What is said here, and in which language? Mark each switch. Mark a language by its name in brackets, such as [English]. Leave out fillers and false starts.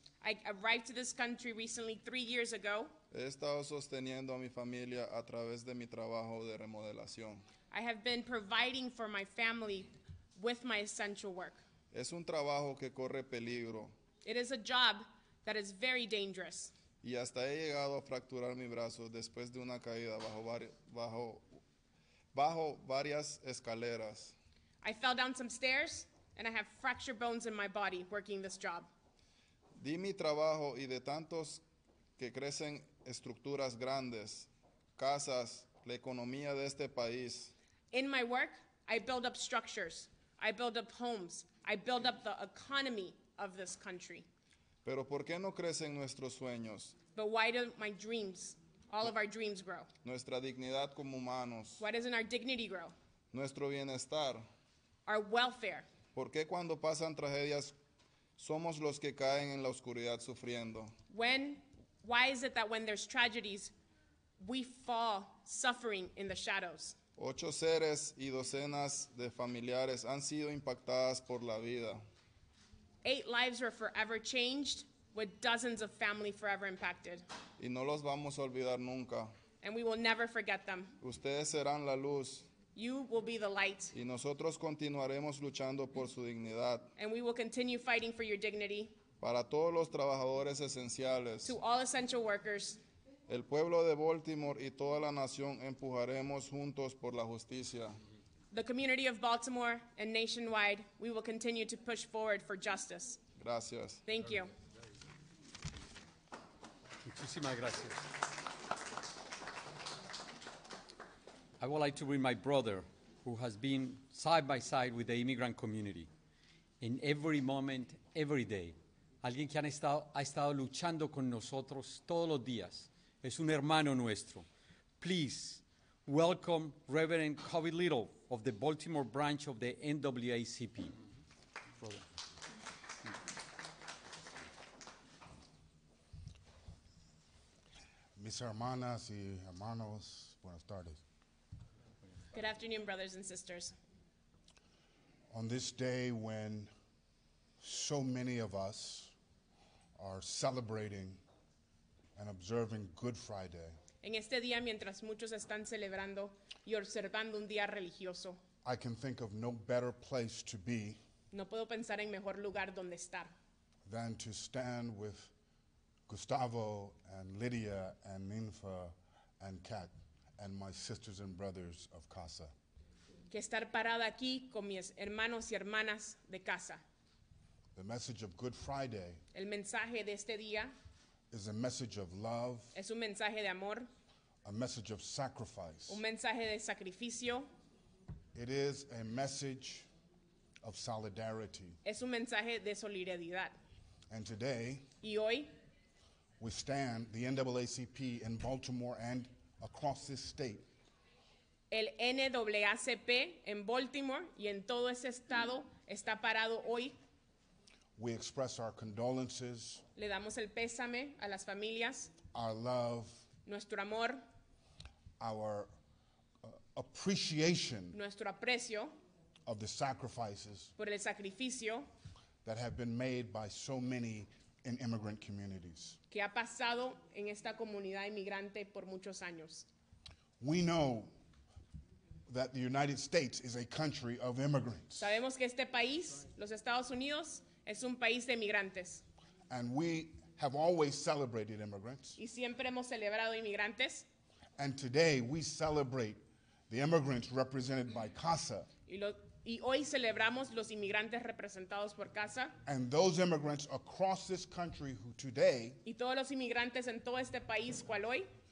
[English] I arrived to this country recently 3 years ago. [Spanish] He estado sosteniendo a mi familia a través de mi trabajo de remodelación. [English] I have been providing for my family with my essential work. [Spanish] Es un trabajo que corre peligro. [English] It is a job that is very dangerous. [Spanish] Y hasta he llegado a fracturar mi brazo después de una caída bajo varias escaleras. [English] I fell down some stairs and I have fractured bones in my body working this job. [Spanish] Di mi trabajo y de tantos que crecen estructuras grandes, casas, la economía de este país. [English] In my work, I build up structures. I build up homes. I build up the economy of this country. [Spanish] Pero ¿por qué no crecen nuestros sueños? [English] But why do my dreams, all of our dreams grow? [Spanish] Nuestra dignidad como humanos. [English] Why doesn't our dignity grow? [Spanish] nuestro bienestar. [English] Our welfare. [Spanish] ¿Por qué cuando pasan tragedias somos los que caen en la oscuridad sufriendo? [English] Why is it that when there's tragedies, we fall suffering in the shadows? [Spanish] Ocho seres y docenas de familiares han sido impactadas por la vida. [English] Eight lives were forever changed, with dozens of family forever impacted. [Spanish] Y no los vamos a olvidar nunca. [English] And we will never forget them. [Spanish] Ustedes serán la luz. [English] You will be the light. [Spanish] Y nosotros continuaremos luchando por su dignidad. [English] And we will continue fighting for your dignity. [Spanish] Para todos los trabajadores esenciales. [English] To all essential workers. [Spanish] El pueblo de Baltimore y toda la nación empujaremos juntos por la justicia. [English] The community of Baltimore and nationwide, we will continue to push forward for justice. [Spanish] Gracias. [English] Thank you. [Spanish] Muchísimas gracias. [English] I would like to bring my brother, who has been side by side with the immigrant community in every moment, every day. [Spanish] Alguien que ha estado luchando con nosotros todos los días. Es un hermano nuestro. [English] Please welcome Reverend Kobe Little of the Baltimore branch of the NAACP. Brother. [Spanish] Mis hermanas y hermanos, buenas tardes. [English] Good afternoon, brothers and sisters. On this day when so many of us are celebrating and observing Good Friday. [Spanish] En este día, mientras muchos están celebrando y observando un día religioso, [English] I can think of no better place to be. [Spanish] No puedo pensar en mejor lugar donde estar. [English] Than to stand with Gustavo and Lydia and Ninfa and Kat and my sisters and brothers of CASA. [Spanish] Que estar parada aquí con mis hermanos y hermanas de CASA. [English] The message of Good Friday, [Spanish] el mensaje de este día, [English] is a message of love, [Spanish] es un mensaje de amor, [English] a message of sacrifice, [Spanish] un mensaje de sacrificio, [English] it is a message of solidarity, [Spanish] es un mensaje de solidaridad. [English] And today, [Spanish] y hoy, [English] we stand, the NAACP in Baltimore and across this state, [Spanish] el NAACP en Baltimore y en todo ese estado está parado hoy. [English] We express our condolences. [Spanish] Le damos el pésame a las familias. [English] Our love. [Spanish] Nuestro amor. [English] Our appreciation. [Spanish] Nuestro aprecio. [English] Of the sacrifices. [Spanish] Por el sacrificio. [English] That have been made by so many in immigrant communities. [Spanish] Que ha pasado en esta comunidad inmigrante por muchos años. [English] We know that the United States is a country of immigrants. [Spanish] Sabemos que este país, los Estados Unidos, es un país de inmigrantes. [English] And we have always celebrated immigrants. [Spanish] Y siempre hemos celebrado inmigrantes. [English] And today we celebrate the immigrants represented by CASA. [Spanish] Y hoy celebramos los inmigrantes representados por CASA. [English] And those immigrants across this country who today, [Spanish] y todos los inmigrantes en todo este país cual hoy,